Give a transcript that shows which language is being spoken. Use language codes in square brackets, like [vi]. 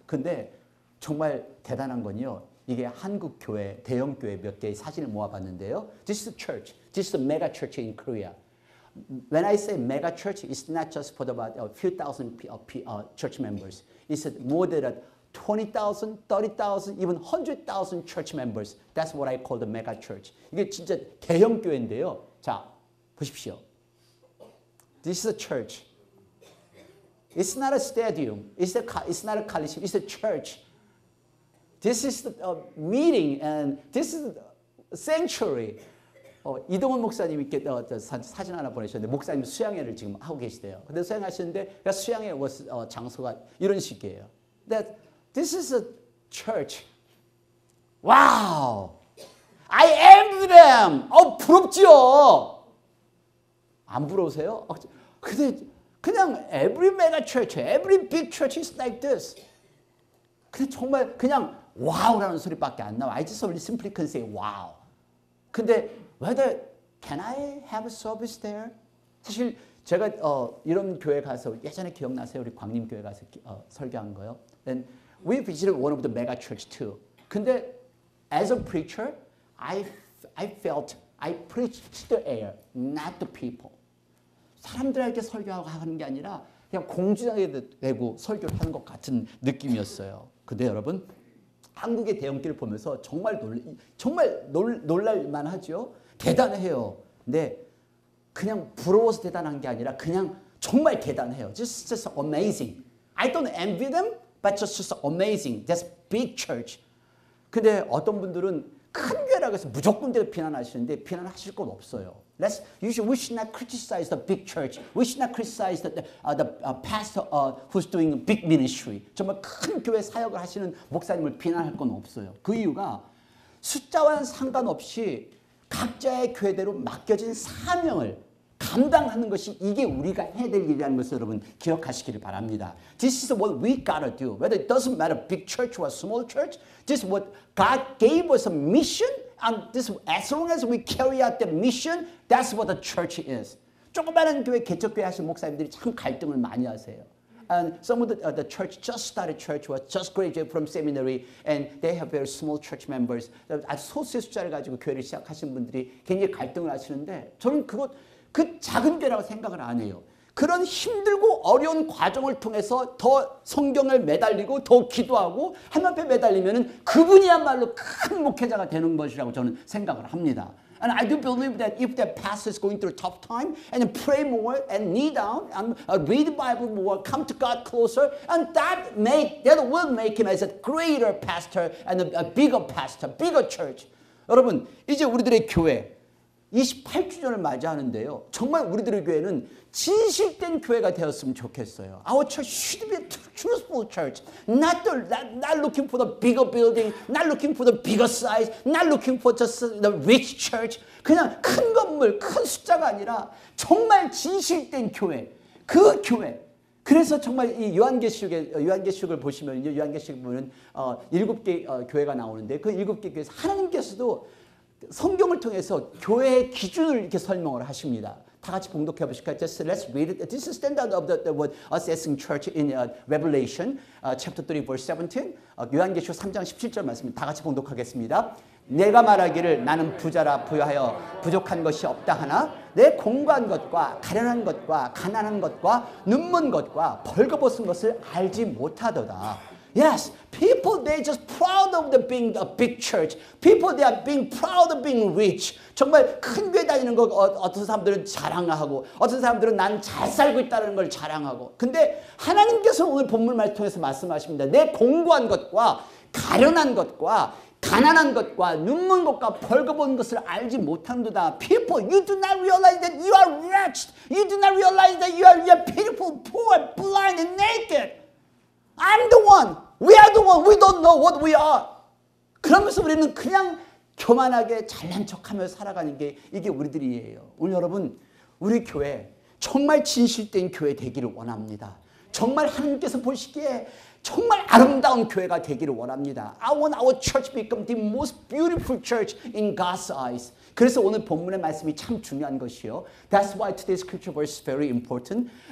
[ko] 근데 정말 대단한 건요. 이게 한국 교회, 대형 교회 몇 개의 사진을 모아봤는데요. [en] This is a church. This is a mega church in Korea. When I say mega church, it's not just for about a few thousand church members. It's more than 20,000, 30,000, even 100,000 church members. That's what I call the mega church. [ko] 이게 진짜 대형 교회인데요. 자, 보십시오. [en] This is a church. It's not a stadium. It's not a coliseum. It's a church. This is a meeting and this is a sanctuary. [ko] 이동원 목사님이 사진 하나 보내셨는데 목사님 수양회를 지금 하고 계시대요. 근데 수양하시는데 수양회 장소가 이런 식이에요. [en] That this is a church. Wow! I envy them! [ko] 부럽죠? 안 부러우세요? 근데 그냥 [en] every mega church, every big church is like this. [ko] 근데 정말 그냥 와우 라는 소리밖에 안 나와. [en] I just only simply can say wow. 근데 whether can I have a service there? [ko] 사실 제가 이런 교회 가서 예전에 기억나세요? 우리 광림 교회 가서 설교한 거요. [en] And we visited one of the mega church too. [ko] 근데 [en] as a preacher, I felt I preached the air, not the people. [ko] 사람들에게 설교하고 하는 게 아니라 그냥 공중에 대고 설교를 하는 것 같은 느낌이었어요. 근데 여러분 한국의 대형교회를 보면서 정말 놀랄만 하죠. 대단해요. 근데 그냥 부러워서 대단한 게 아니라 그냥 정말 대단해요. [en] Just amazing. I don't envy them, but just amazing. That's big church. [ko] 근데 어떤 분들은 큰 교회라고 해서 무조건 비난하시는데 비난하실 건 없어요. [en] We should not criticize the big church. We should not criticize the pastor who's doing big ministry. [ko] 정말 큰 교회 사역을 하시는 목사님을 비난할 건 없어요. 그 이유가 숫자와는 상관없이 각자의 교회대로 맡겨진 사명을 감당하는 것이 이게 우리가 해야 될 일이라는 것을 여러분 기억하시기를 바랍니다. [en] This is what we gotta do. Whether it doesn't matter big church or small church, this is what God gave us a mission. And this, as long as we carry out the mission, that's what the church is. [ko] 조그마한 교회 개척교회 하신 목사님들이 참 갈등을 많이 하세요. [en] And some of the church just started church was just graduated from seminary, and they have very small church members. [ko] 아주 소수의 숫자를 가지고 교회를 시작하신 분들이 굉장히 갈등을 하시는데 저는 그것 그 작은 교회라고 생각을 안 해요. 그런 힘들고 어려운 과정을 통해서 더 성경을 매달리고 더 기도하고 하나님 앞에 매달리면은 그분이야말로 큰 목회자가 되는 것이라고 저는 생각을 합니다. [en] And I do believe that if that pastor is going through a tough time and pray more and kneel down and read the Bible more, come to God closer, and that will make him as a greater pastor and a bigger pastor, bigger church. [ko] 여러분, 이제 우리들의 교회 28주년을 맞이하는데요. 정말 우리들의 교회는 진실된 교회가 되었으면 좋겠어요. [en] Our church should be a truthful church. Not looking for the bigger building, not looking for the bigger size, not looking for just the rich church. [ko] 그냥 큰 건물, 큰 숫자가 아니라 정말 진실된 교회, 그 교회. 그래서 정말 이 요한계시록을 보시면요. 요한계시록 보면 일곱 개 교회가 나오는데 그 일곱 개 교회에서 하나님께서도 성경을 통해서 교회의 기준을 이렇게 설명을 하십니다. 다 같이 봉독해 보실까요? [en] Just let's read it. This is standard of the word assessing church in Revelation chapter 3 verse 17. [ko] 요한계시록 3장 17절 말씀 다 같이 봉독하겠습니다. 내가 말하기를 나는 부자라 부여하여 부족한 것이 없다 하나 내 공고한 것과 가련한 것과 가난한 것과 눈먼 것과 벌거벗은 것을 알지 못하도다. [en] Yes, people, they're just proud of the being a big church. People, they are being proud of being rich. [ko] 정말 큰 교회 다니는 거 어떤 사람들은 자랑하고 어떤 사람들은 나는 잘 살고 있다는 걸 자랑하고 근데 하나님께서 오늘 본문 말씀 통해서 말씀하십니다. 내 공고한 것과 가련한 것과 가난한 것과 눈먼 것과 벌거벗은 것을 알지 못한도다. [en] People, you do not realize that you are wretched. You do not realize that you are pitiful, poor, blind, and naked. I'm the one. We are the one. We don't know what we are. [ko] 그러면서 우리는 그냥 교만하게 잘난 척하며 살아가는 게 이게 우리들이에요. 오늘 여러분 우리 교회 정말 진실된 교회 되기를 원합니다. 정말 하나님께서 보시기에 정말 아름다운 교회가 되기를 원합니다. [en] I want our church to become the most beautiful church in God's eyes. [ko] 그래서 오늘 본문의 말씀이 참 중요한 것이요. [en] That's why today's scripture verse is very important.